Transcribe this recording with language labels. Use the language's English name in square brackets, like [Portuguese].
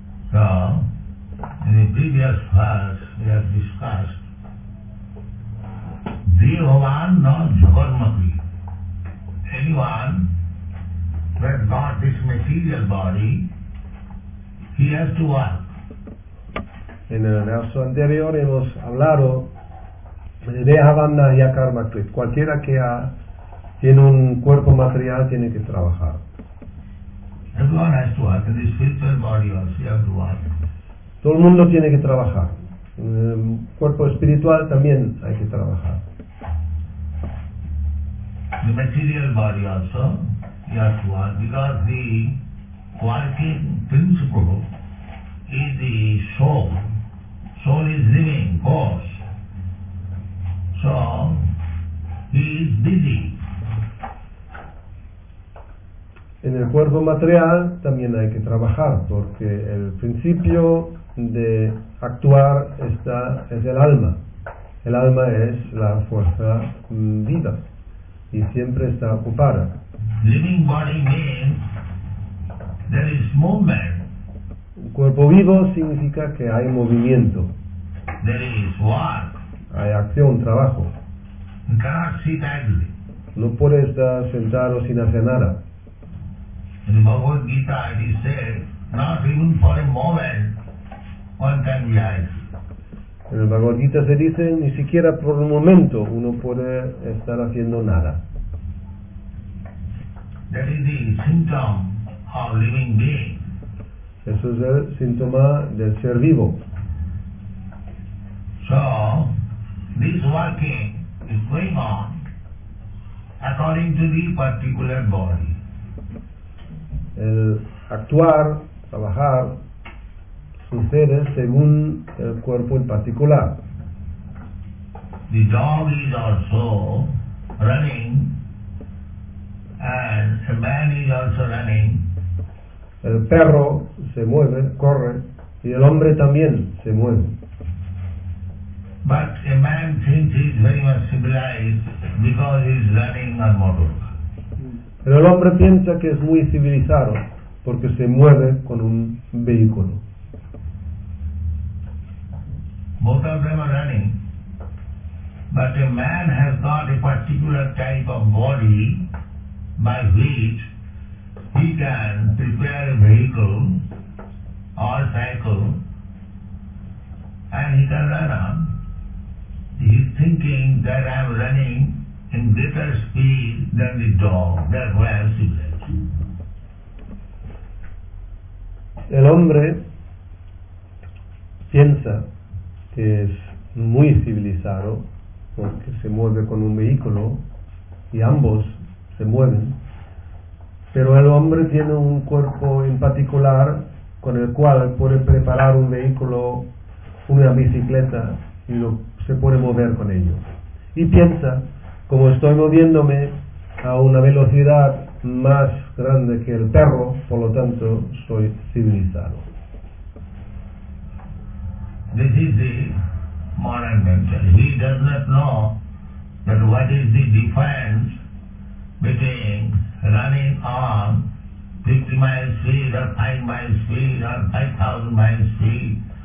[English] So, in the previous class, we have discussed Dhiyavan na Jagarmati. Anyone who has got this material body, he has to work. [Spanish] En el verso anterior hemos hablado de Dehavanna y Akarma Krit. Cualquiera que tiene un cuerpo material tiene que trabajar. [English] Everyone has to work in this spiritual body, also you have to work. [Spanish] Todo el mundo tiene que trabajar. En el cuerpo espiritual también hay que trabajar. [English] The material body also you have to work because the working principle is the soul. Soul is living, ghost. So, he is busy. [Spanish] En el cuerpo material también hay que trabajar, porque el principio de actuar está, es el alma. El alma es la fuerza viva, y siempre está ocupada. [English] Living body means there is movement. [Spanish] Un cuerpo vivo significa que hay movimiento. [English] There is work. [Spanish] Hay acción, trabajo. [English] You cannot sit idly. [Spanish] No puede estar sentado sin hacer nada. [English] In the Bhagavad Gita it is said, not even for a moment one can be idle. [Spanish] En el Bhagavad Gita se dice, ni siquiera por un momento uno puede estar haciendo nada. [English] That is the symptom of living being. [Spanish] Eso es el síntoma del ser vivo. [English] So, this working is going on according to the particular body. [Spanish] El actuar, trabajar, sucede según el cuerpo en particular. [English] The dog is also running and a man is also running. [Spanish] El perro se mueve, corre, y el hombre también se mueve. [English] But a man thinks he is very much civilized because he is running on motor. [Spanish] Pero el hombre piensa que es muy civilizado porque se mueve con un vehículo. [English] Both of them are running. But a man has got a particular type of body by which he can prepare a vehicle or cycle and he can run on. He is thinking that I am running in greater speed than the dog, therefore I am civilized. [Spanish] El hombre piensa que es muy civilizado porque se mueve con un vehículo y ambos se mueven, pero el hombre tiene un cuerpo en particular con el cual puede preparar un vehículo, una bicicleta y lo se puede mover con ello. Y piensa, como estoy moviéndome a una velocidad más grande que el perro, por lo tanto, soy civilizado. [English] This is the modern mentality. He does not know that what is the difference between running on 50 miles speed or 5 miles speed or 5,000 miles speed.